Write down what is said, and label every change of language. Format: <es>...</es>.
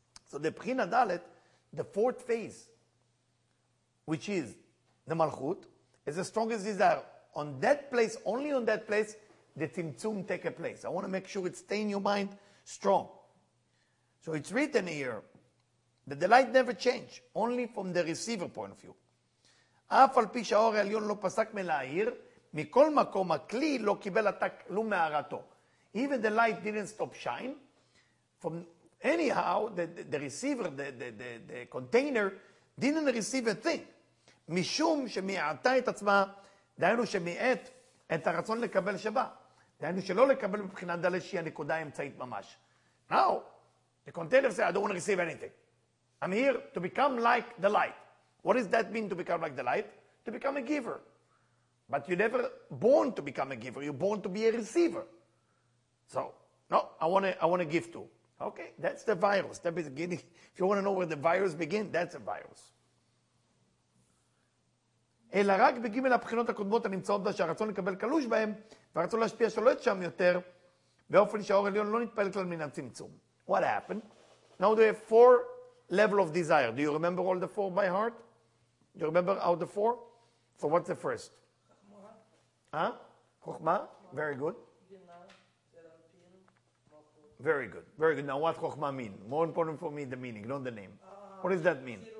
<en>So the Bechina Dalet, the fourth phase, which is the Malchut, is the strongest desire. On that place, only on that place, the Tzimtzum take a place. I want to make sure it stay in your mind strong. So it's written here that the light never change, only from the receiver point of view.</en> <he>אף על פי שהאור העליון לא פסק מלהאיר, מכל מקום הכלי לא קיבל עתה כלום מהרתו. Even the light didn't stop shine. From anyhow, the receiver, the container, didn't receive a thing. משום שמיעטה את עצמה, דהיינו שמיעט את הרצון לקבל שבא. דהיינו שלא לקבל מבחינת דלת שהיא הנקודה האמצעית ממש.</he> <en>Now, the container said, I don't want to receive anything. I'm here to become like the light. What does that mean to become like the light? To become a giver. But you're never born to become a giver. You're born to be a receiver. So, no, I want to give to. Okay, that's the virus. That's the beginning. If you want to know where the virus begins, that's a virus.</en> <he>אלא רק בגימל הבחינות הקודמות הנמצאות בה שהרצון לקבל קלוש בהם, והרצון להשפיע שולט שם יותר, באופן שהאור עליון לא נתפעל כלל מן הצמצום.</he> <en>What happened? Now there are four levels of desire. Do you remember all the four by heart? Do you remember out the four? So what's the first? Chokhmah. Chokhmah? Very good. Very good, very good. Now what Chokhmah mean? More important for me, the meaning, not the name. What does that mean?</en>